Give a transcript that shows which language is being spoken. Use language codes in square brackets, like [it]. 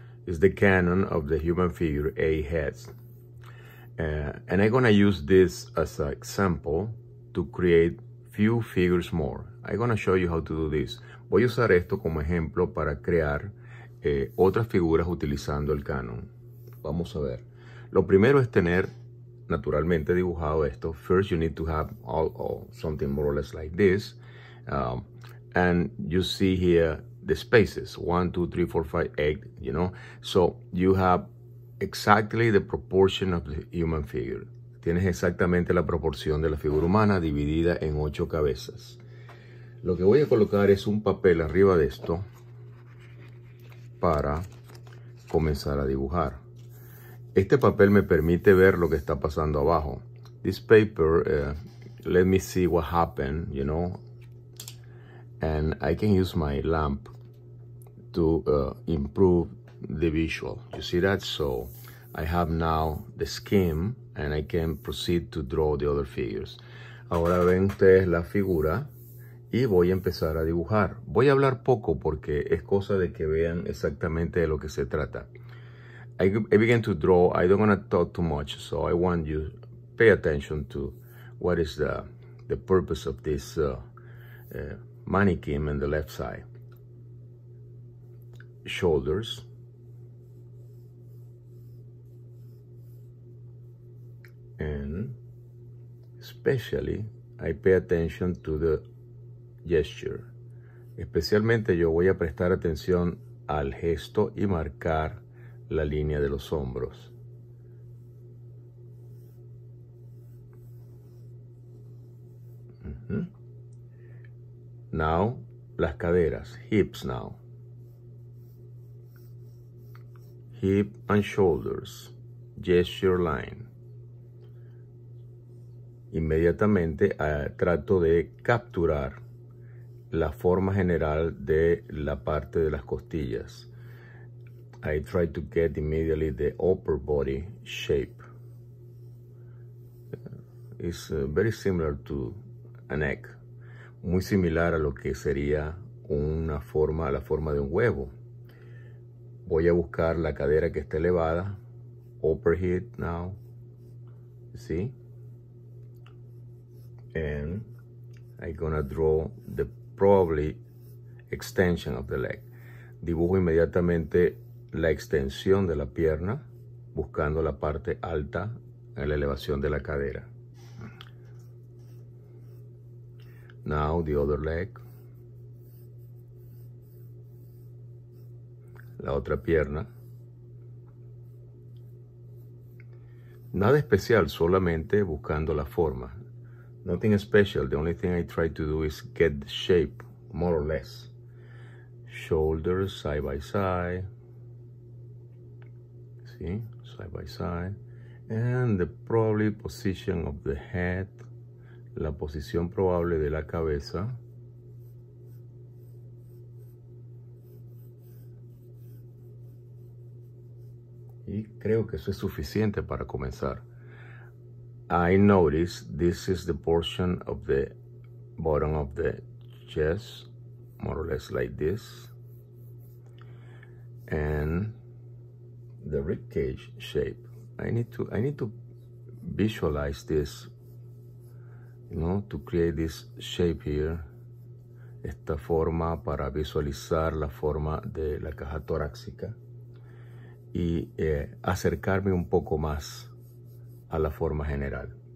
[en] It's the canon of the human figure, eight heads. And I'm gonna use this as an example to create few figures more. I'm gonna show you how to do this. [es] Voy a usar esto como ejemplo para crear otras figuras utilizando el canon. Vamos a ver. Lo primero es tener naturalmente dibujado esto. [en] First, you need to have something more or less like this. And you see here the spaces. 1, 2, 3, 4, 5, 8, you know. So you have exactly the proportion of the human figure. [es] Tienes exactamente la proporción de la figura humana dividida en ocho cabezas. Lo que voy a colocar es un papel arriba de esto para comenzar a dibujar. Este papel me permite ver lo que está pasando abajo. [en] This paper, let me see what happened, you know. And I can use my lamp to improve the visual. You see that? So I have now the scheme and I can proceed to draw the other figures. [es] Ahora ven ustedes la figura y voy a empezar a dibujar. Voy a hablar poco porque es cosa de que vean exactamente de lo que se trata. [en] I begin to draw. I don't want to talk too much, so I want you to pay attention to what is the purpose of this mannequin on the left side. Shoulders. And especially, I pay attention to the gesture. [es] Especialmente, yo voy a prestar atención al gesto y marcar la línea de los hombros. [en] Now, [es] las caderas, [en] hips now. Hip and shoulders, gesture line. [es] Inmediatamente trato de capturar la forma general de la parte de las costillas. [en] I try to get immediately the upper body shape. It's very similar to a neck. [es] Muy similar a lo que sería una forma, la forma de un huevo. Voy a buscar la cadera que está elevada. [en] Upper hip now. See? And I'm gonna draw the probably extension of the leg. [es] Dibujo inmediatamente la extensión de la pierna, buscando la parte alta en la elevación de la cadera. [en] Now the other leg. [es] La otra pierna. Nada especial, solamente buscando la forma. [en] Nothing special, the only thing I try to do is get the shape, more or less. Shoulders side by side. See, side by side, and the probably position of the head, [es] la posición probable de la cabeza. Y creo que eso es suficiente para comenzar. [en] I notice this is the portion of the bottom of the chest, more or less like this, and the ribcage shape. I need to visualize this, you know, to create this shape here. [es] Esta forma para visualizar la forma de la caja torácica y acercarme un poco más a la forma general.